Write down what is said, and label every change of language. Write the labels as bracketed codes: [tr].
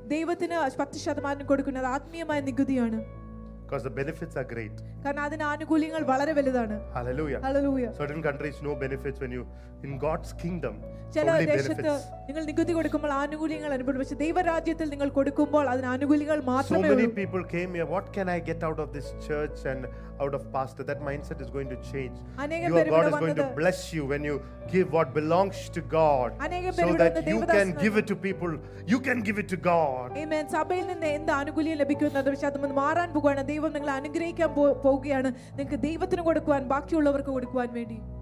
[ml] ദൈവത്തിനെ 10% കൊടുക്കുന്നത് ആത്മീയമായ നികുതിയാണ്. [en] Because the benefits are great. [ml] കാരണം അതിന് ആനുകൂല്യങ്ങൾ വളരെ വലുതാണ്. [en] Hallelujah. Hallelujah. Certain countries no benefits when you in God's kingdom. [ml] ചില ദേശത്തെ നിങ്ങൾ നികുതി കൊടുക്കുമ്പോൾ ആനുകൂല്യങ്ങൾ അനുഭവിക്കും, പക്ഷേ ദൈവരാജ്യത്തിൽ നിങ്ങൾ കൊടുക്കുമ്പോൾ അതിന് ആനുകൂല്യങ്ങൾ മാത്രമേ ഉള്ളൂ. [en] So many people came here, what can I get out of this church and out of pastor? That mindset is going to change. Your God is going to bless you when you give what belongs to God, so that you can give it to people. You can give it to God. Amen. [ml] സഭയിൽ നിന്ന് എന്ത് ആനുകൂല്യം ലഭിക്കുന്നു അത് പക്ഷേ അതൊന്ന് മാറാൻ പോകുകയാണ്. ദൈവം നിങ്ങളെ അനുഗ്രഹിക്കാൻ പോവുകയാണ്, നിങ്ങൾക്ക് ദൈവത്തിന് കൊടുക്കുവാൻ ബാക്കിയുള്ളവർക്ക് കൊടുക്കുവാൻ വേണ്ടി.